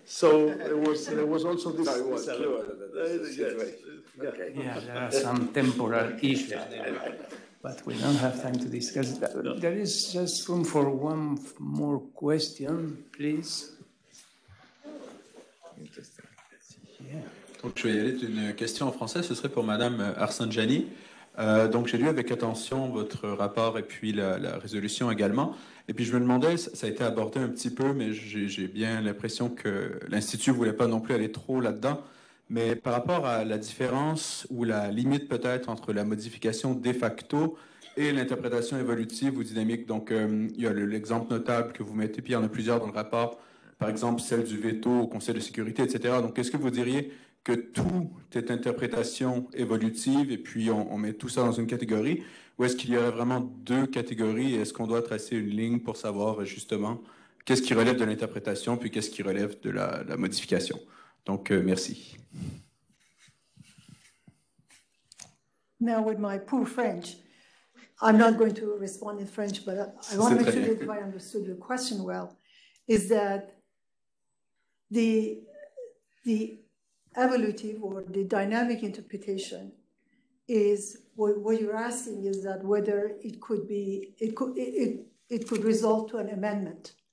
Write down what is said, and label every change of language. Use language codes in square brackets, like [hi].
[en] So there was also this. No, it was this okay. Yeah, there are some temporal issues. But we don't have time to discuss that. No. There is just room for one more question, please. [fr] Donc, je vais y aller d'une question en français. Ce serait pour Madame Arsanjani. Donc, j'ai lu avec attention votre rapport et puis la résolution également. Et puis, je me demandais, ça a été abordé un petit peu, mais j'ai bien l'impression que l'Institut ne voulait pas non plus aller trop là-dedans. Mais par rapport à la différence ou la limite peut-être entre la modification de facto et l'interprétation évolutive ou dynamique. Donc, il y a l'exemple notable que vous mettez, puis il y en a plusieurs dans le rapport, par exemple celle du veto au Conseil de sécurité, etc. Donc, est-ce que vous diriez que tout est interprétation évolutive et puis on met tout ça dans une catégorie, ou est-ce qu'il y aurait vraiment deux catégories et est-ce qu'on doit tracer une ligne pour savoir justement qu'est-ce qui relève de l'interprétation puis qu'est-ce qui relève de la modification? Donc, merci. [en] Now with my poor French, I'm not going to respond in French, but I want to make sure that I understood your question well, is that the evolutive or the dynamic interpretation is what you're asking is that whether it could be, it could result to an amendment.